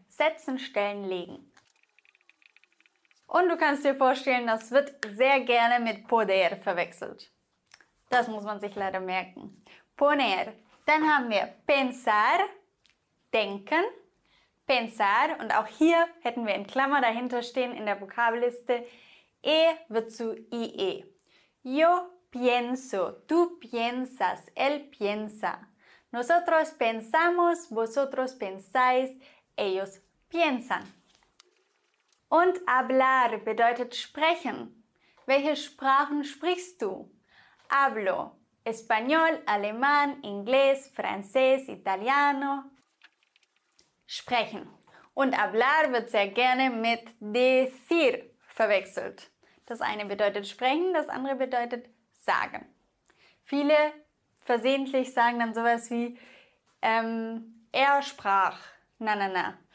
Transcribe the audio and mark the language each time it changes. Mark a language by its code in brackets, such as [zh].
[de] Setzen, stellen, legen. Und du kannst dir vorstellen, das wird sehr gerne mit poder verwechselt. Das muss man sich leider merken. Poner. Dann haben wir pensar, denken. Pensar. Und auch hier hätten wir in Klammer dahinter stehen in der Vokabelliste. E wird zu IE. [es] Yo pienso, tú piensas, él piensa. Nosotros pensamos, vosotros pensáis, ellos piensan. [de] Und hablar bedeutet sprechen. Welche Sprachen sprichst du? [es] Hablo español, alemán, inglés, francés, italiano. [de] Sprechen. Und hablar wird sehr gerne mit decir verwechselt. Das eine bedeutet sprechen, das andere bedeutet sagen. Viele versehentlich sagen dann sowas wie, er sprach, na na na.